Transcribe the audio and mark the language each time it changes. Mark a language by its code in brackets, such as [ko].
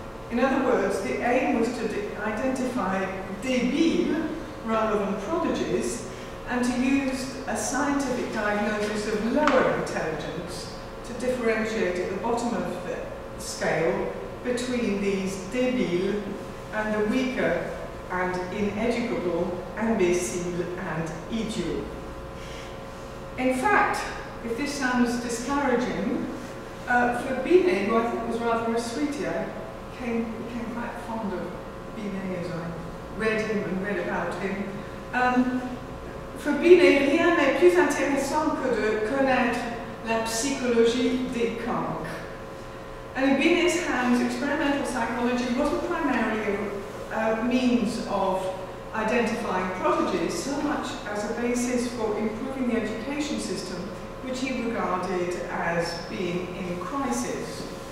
[en] In other words, the aim was to identify débiles rather than prodigies, and to use a scientific diagnosis of lower intelligence to differentiate at the bottom of the scale between these débiles and the weaker and ineducable, imbécile and idiot. In fact, if this sounds discouraging, for Binet, who I thought was rather a sweetie, I became quite fond of Binet as I read him and read about him. [fr] For Binet, rien n'est plus intéressant que de connaître la psychologie des conques. [en] And in Binet's hands, experimental psychology wasn't primarily a means of identifying prodigies so much as a basis for improving the education system, which he regarded as being in crisis.